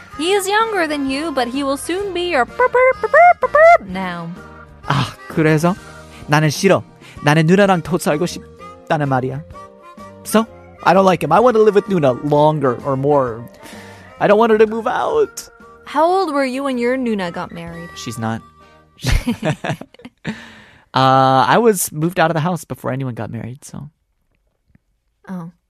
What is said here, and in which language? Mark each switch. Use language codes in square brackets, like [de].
[en] He is younger than you, but he will soon be your now. [ko] 아, 그래서 나는 싫어. 나는 누나랑 더 살고 싶다는 말이야. [en] So, I don't like him. I want to live with Nuna longer or more. I don't want her to move out. How old were you when your Nuna got married? She's not. I was moved out of the house before anyone got married, so. Oh,